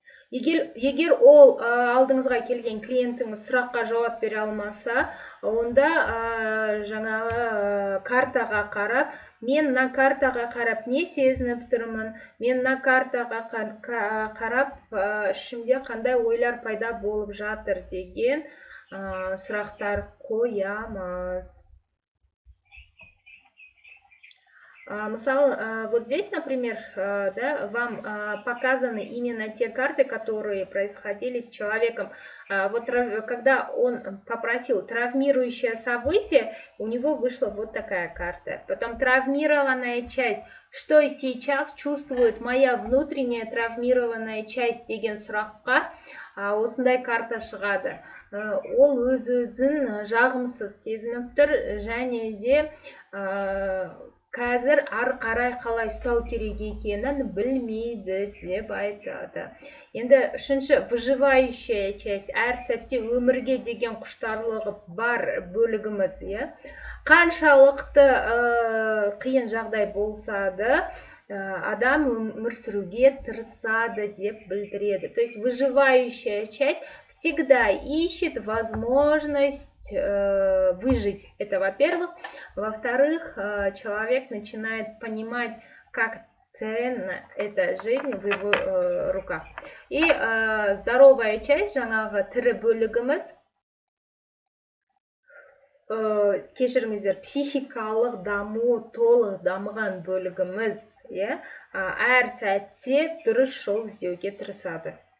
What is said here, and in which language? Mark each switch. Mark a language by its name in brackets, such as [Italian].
[Kazakh] Егер ол алдыңызға келген клиентіңіз сұраққа жауап бере алмаса, онда жаңағы картаға қарап, мен на картаға қарап не сезініп тұрмын, мен на картаға қарап ішімде қандай ойлар пайда болып жатыр деген сұрақтар қоямыз. [Russian] Мысалы, вот здесь, например, да, вам показаны именно те карты, которые происходили с человеком. Вот когда он попросил травмирующее событие, у него вышла вот такая карта. Потом травмированная часть. Что сейчас чувствует моя внутренняя травмированная часть [Kazakh] деген сұраққа? Осындай карта шығады. Ол өз-өзін жағымсыз сезініп тұр, және де қазір ары қарай қалай ұстау керек екенін білмейді деп айтады. Енді үшінші [Russian] выживающая часть, [Kazakh] әр сәтте өмірге деген құштарлығы бар бөлігіміз. Қаншалықты қиын жағдай болса да, адам өмір сүруге тырысады деп білдіреді. [Russian] То есть выживающая часть всегда ищет возможность выжить. Это во-первых. Во-вторых, человек начинает понимать, как ценна эта жизнь в его руках. И здоровая часть [Kazakh] жаңағы тірі бөлігіміз, кешіріңіздер, психикалық даму толық дамыған бөлігіміз. Әр сәтте дұрыс жол іздеуге тырысады.